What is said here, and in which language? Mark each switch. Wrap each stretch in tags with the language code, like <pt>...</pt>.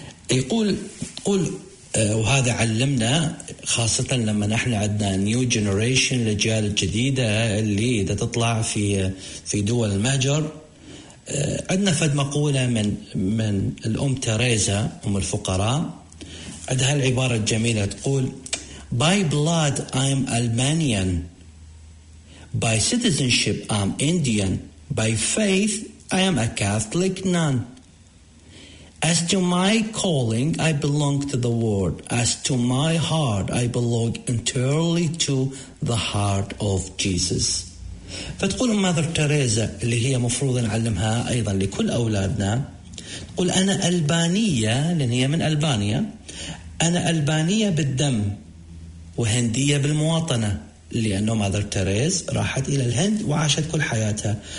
<ar>يقول قل، وهذا علمنا خاصة لما نحن عندنا</ar> <en>new generation،</en> <ar>الأجيال الجديدة اللي إذا تطلع في دول المهجر، عندنا فد مقولة من الأم تريزا أم الفقراء، عندها العبارة الجميلة تقول</ar> <en>by blood I'm Albanian، by citizenship I'm Indian، by faith I am a Catholic nun. As to my calling, I belong to the world. As to my heart, I belong entirely to the heart of Jesus.</en> <ar>فتقول مادر تريزا اللي هي مفروض نعلمها أيضا لكل أولادنا، تقول أنا ألبانية، لأن هي من ألبانيا، أنا ألبانية بالدم وهندية بالمواطنة، لأنه مادر تريز راحت إلى الهند وعاشت كل حياتها.</ar>